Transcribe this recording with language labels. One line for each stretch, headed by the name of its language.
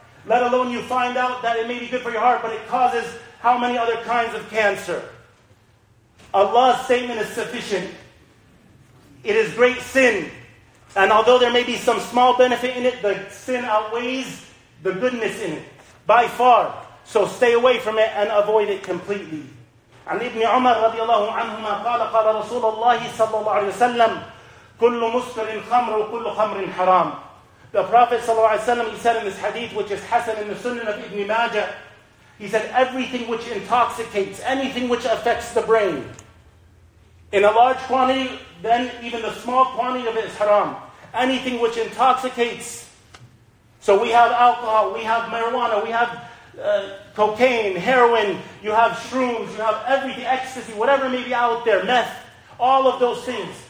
English: Let alone you find out that it may be good for your heart, but it causes how many other kinds of cancer. Allah's statement is sufficient. It is great sin. And although there may be some small benefit in it, the sin outweighs the goodness in it, by far. So stay away from it and avoid it completely.
Arabic: عن ابن عمر رضي الله عنهما قال قال رسول الله صلى الله عليه وسلم كل مسكر خمر وكل خمر حرام.
English: The Prophet صلى الله عليه وسلم, he said in this hadith, which is Hassan in the Sunan of Ibn Majah, He said, everything which intoxicates, anything which affects the brain, in a large quantity, then even the small quantity of it is haram. Anything which intoxicates. So we have alcohol, we have marijuana, we have cocaine, heroin, you have shrooms, you have everything, ecstasy, whatever may be out there, meth, all of those things.